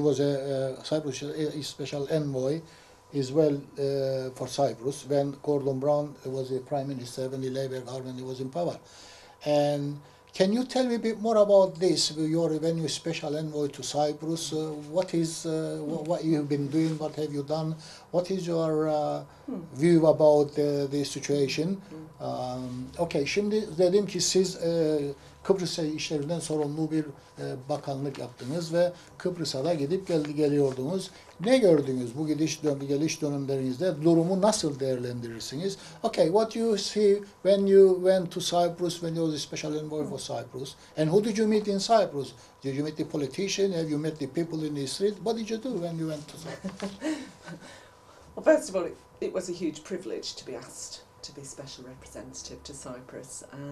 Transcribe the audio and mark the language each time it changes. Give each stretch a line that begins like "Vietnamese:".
English: You was a Cyprus Special Envoy as well for Cyprus when Gordon Brown was the Prime Minister, when the Labour government was in power. And can you tell me a bit more about this, your venue Special Envoy to Cyprus? What you have been doing, what have you done? What is your view about the situation?
Turkish: Okay, şimdi dedim ki siz Kıbrıs'a işlerinden sorumlu bir bakanlık yaptınız ve Kıbrıs'a da gidip geliyordunuz. Ne gördünüz bu geliş dönemlerinizde? Durumu nasıl değerlendirirsiniz?
English: Okay, what you see when you went to Cyprus, when you were the special envoy for Cyprus? And who did you meet in Cyprus? Did you meet the politician? Have you met the people in the street? What did you do when you went to Cyprus? Well, first of all, it was a huge privilege to be asked to be special representative to Cyprus.